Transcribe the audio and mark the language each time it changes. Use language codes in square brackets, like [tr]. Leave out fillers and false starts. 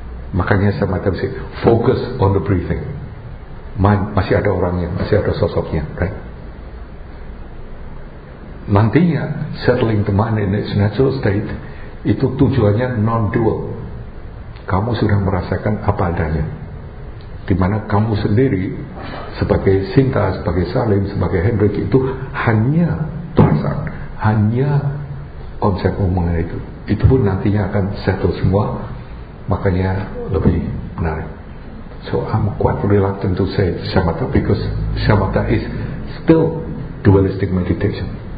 [id] Makanya syamatha bisa [en] focus on the breathing. [id] Mind masih ada orangnya, masih ada sosoknya, right? Nantinya [en] settling the mind in its natural state [id] itu tujuannya non-dual. Kamu sudah merasakan apa adanya, di mana kamu sendiri sebagai Sinta, sebagai Salim, sebagai Hendrik itu hanya perasaan, hanya konsep omongan itu. Itu pun nantinya akan settle semua, makanya lebih menarik. [en] So I'm quite reluctant to say samatha because samatha is still dualistic meditation.